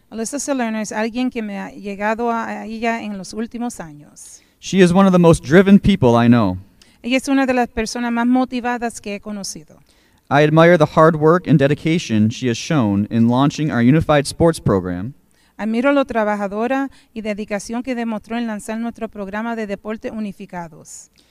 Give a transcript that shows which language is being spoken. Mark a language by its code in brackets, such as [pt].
[es] Alyssa Salerno es alguien que me ha llegado a ella en los últimos años. [en] She is one of the most driven people I know. [es] Ella es una de las personas más motivadas que he conocido. [en] I admire the hard work and dedication she has shown in launching our unified sports program. [es] Admiro lo trabajadora y dedicación que demostró en lanzar nuestro programa de deporte unificados.